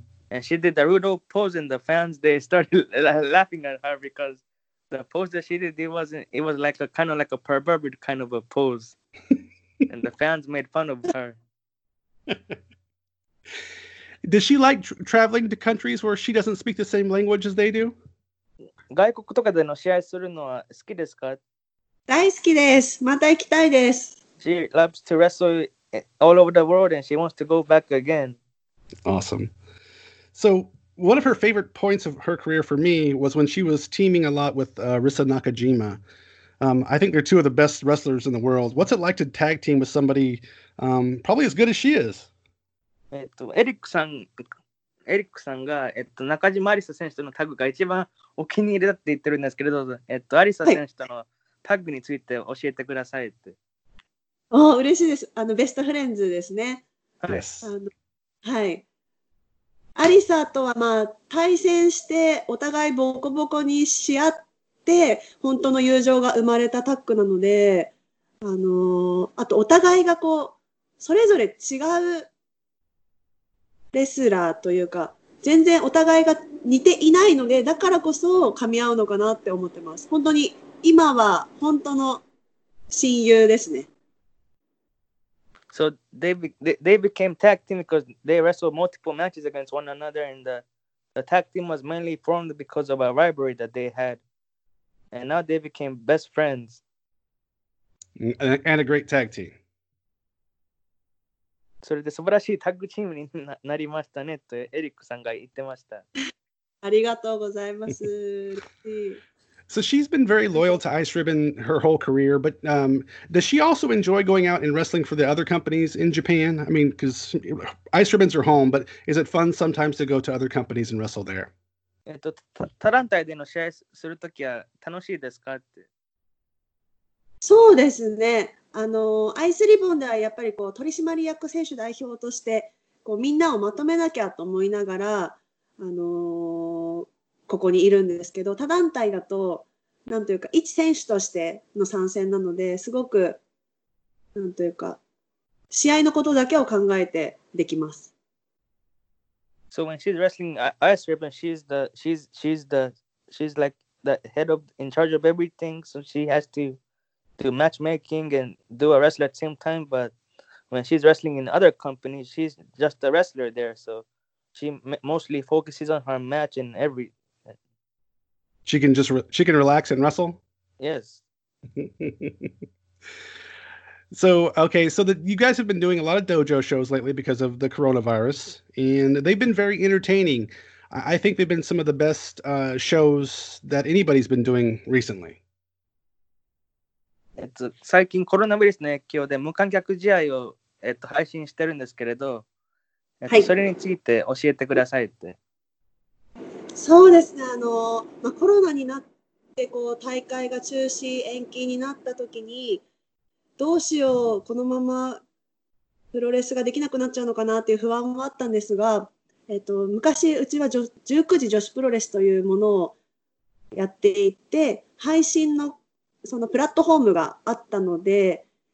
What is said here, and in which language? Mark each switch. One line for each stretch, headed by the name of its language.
English: And she did the rudo pose, and the fans, they started laughing at her because the pose that she did, it was like a kind of like a perverted kind of a pose. And the fans made fun of her. Does she like traveling to countries where she doesn't speak the same language as they do?
Japanese: 外国とかでの試合するのは好きですか？大好きです。また行きたいです。
English: She loves to wrestle all over the world, and she wants to go back again. Awesome. So one of her favorite points of her career for me was when she was teaming a lot with Risa Nakajima. I think they're two of the best wrestlers in the world. What's it like to tag team with somebody probably as good as she is?
Japanese: エリックさんが、中島アリサ選手とのタッグが一番お気に入りだって言ってるんですけれど、アリサ選手とのタッグについて教えてくださいって。お、嬉しいです。ベストフレンズですね。
English: Yes.
Japanese: はい。アリサとはまあ対戦してお互いボコボコにし合って本当の友情が生まれたタッグなので、あとお互いがこうそれぞれ違うレスラーというか全然お互いが似ていないので、だからこそ噛み合うのかなって思ってます。本当に今は本当の親友ですね。
English: So they became tag team because they wrestled multiple matches against one another, and the tag team was mainly formed because of a rivalry that they had. And now they became best friends. And a great tag team.
Japanese: それで素晴らしいタッグチームになりましたねとエリックさんが言ってました。ありがとうございます。
English: So she's been very loyal to Ice Ribbon her whole career, but does she also enjoy going out and wrestling for the other companies in Japan? I mean, because Ice Ribbon's her home, but is it fun sometimes to go to other companies and wrestle there?
Japanese: タランタイでの試合するときは楽しいですかって。そうですね。あのアイスリボンではやっぱりこう取締役選手代表としてこうみんなをまとめなきゃと思いながら、ここにいるんですけど、他団体だとなんというか一選手としての参戦なのですごくなんというか試合のことだけを考えてできます。
English: So when she's wrestling Ice Ribbon, she's like the head of in charge of everything. So she has to do matchmaking and do a wrestler at the same time. But when she's wrestling in other companies, she's just a wrestler there. So she mostly focuses on her match and every. She can just she can relax and wrestle. Yes. So, okay, so that you guys have been doing a lot of dojo shows lately because of the coronavirus, and they've been very entertaining. I think they've been some of the best shows that anybody's been doing recently.
Japanese: 最近コロナウイルスの影響で無観客試合を配信してるんですけれど、それについて教えてくださいって。そうですね、コロナになってこう大会が中止延期になった時にどうしよう、このままプロレスができなくなっちゃうのかなっていう不安もあったんですが、昔うちは19時女子プロレスというものをやっていて、配信のそのプラットフォームがあったので、